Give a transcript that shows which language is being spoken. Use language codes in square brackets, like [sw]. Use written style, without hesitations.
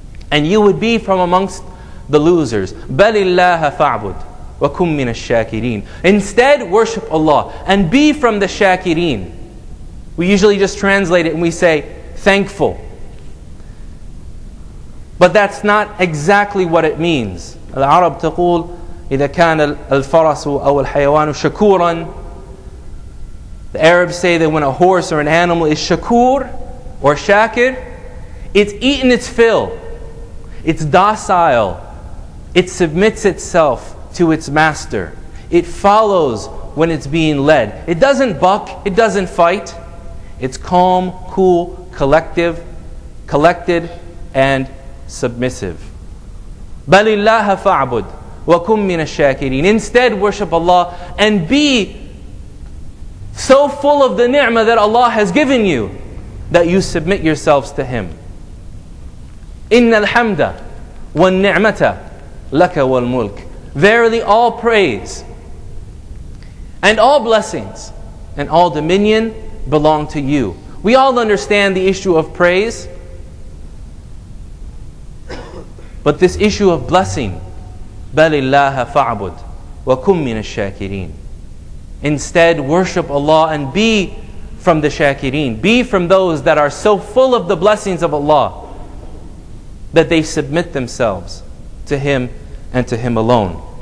[en] And you would be from amongst the losers. [ar] بَلِ اللَّهَ فَاعْبُدْ وَكُمْ مِنَ الشَّاكِرِينَ. [en] Instead, worship Allah and be from the shakirin. We usually just translate it and we say, thankful. But that's not exactly what it means. [ar] Al-Arab تقول, إذا كان الفرس أو الحيوان شكورا. [en] The Arabs say that when a horse or an animal is shakur or shakir, it's eaten its fill. It's docile. It submits itself to its master. It follows when it's being led. It doesn't buck. It doesn't fight. It's calm, cool, collective, collected, and submissive. [ar] بَلِ اللَّهَ فَاعْبُدْ وَكُمْ مِنَ الشَّاكِرِينَ. [en] Instead, worship Allah and be so full of the ni'mah that Allah has given you that you submit yourselves to Him. [ar] إِنَّ الْحَمْدَ وَالنِّعْمَةَ لَكَ وَالْمُلْكَ. [en] Verily all praise and all blessings and all dominion belong to you. We all understand the issue of praise. But this issue of blessing, [ar] بَلِ اللَّهَ فَعْبُدْ وَكُمْ مِنَ الشَّاكِرِينَ. [en] Instead, worship Allah and be from the shakirin. Be from those that are so full of the blessings of Allah that they submit themselves to Him and to Him alone.